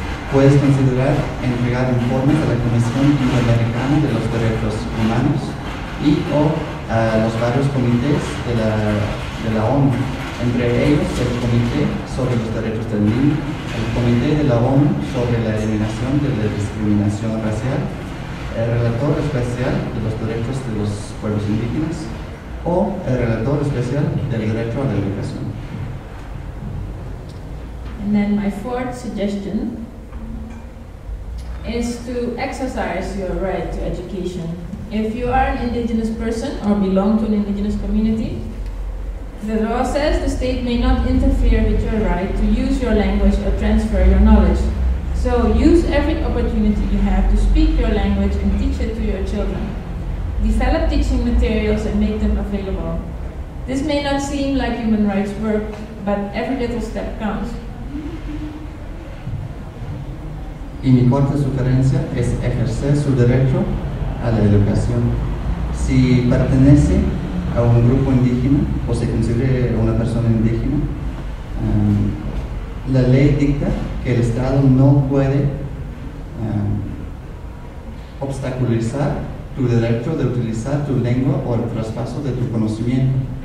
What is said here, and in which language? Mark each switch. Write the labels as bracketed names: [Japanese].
[Spanish] Puedes considerar entregar informes a la Comisión Interamericana de los Derechos Humanos y o a los varios comités de la ONU, entre ellos el Comité sobre los Derechos del Niño, el Comité de la ONU sobre la Eliminación de la Discriminación Racial, el Relator Especial de los Derechos de los Pueblos Indígenas o el Relator Especial del Derecho a la Educación. [English] And then my fourth suggestion is to exercise your right to education. If you are an indigenous person or belong to an indigenous community, the law says the state may not interfere with your right to use your language or transfer your knowledge. So use every opportunity you have to speak your language and teach it to your children. Develop teaching materials and make them available. This may not seem like human rights work, but every little step counts. [Spanish] Y mi cuarta sugerencia es ejercer su derecho a la educación. Si pertenece a un grupo indígena o se considera una persona indígena, la ley dicta que el Estado no puede obstaculizar tu derecho de utilizar tu lengua o el traspaso de tu conocimiento.